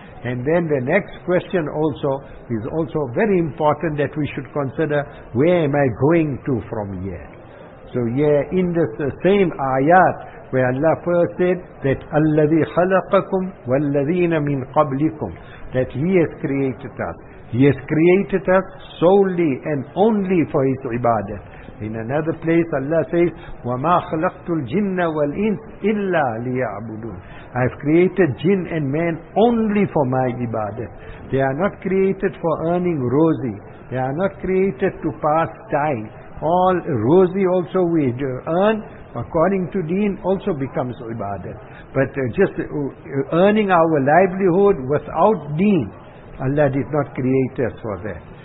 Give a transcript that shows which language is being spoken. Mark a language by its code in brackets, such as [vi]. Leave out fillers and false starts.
[en] And then the next question also is also very important that we should consider, where am I going to from here? So here in the same ayat where Allah first said that [ar] الَّذِي خَلَقَكُمْ وَالَّذِينَ مِنْ قَبْلِكُمْ, [en] that He has created us. He has created us solely and only for His ibadah. In another place Allah says, [ar] وَمَا خَلَقْتُ الْجِنَّ وَالْإِنْسِ إِلَّا لِيَعْبُدُونَ. [en] I have created jinn and man only for my ibadah. They are not created for earning rosy. They are not created to pass time. All rosy also we earn according to deen also becomes ibadah. But just earning our livelihood without deen, Allah did not create us for that.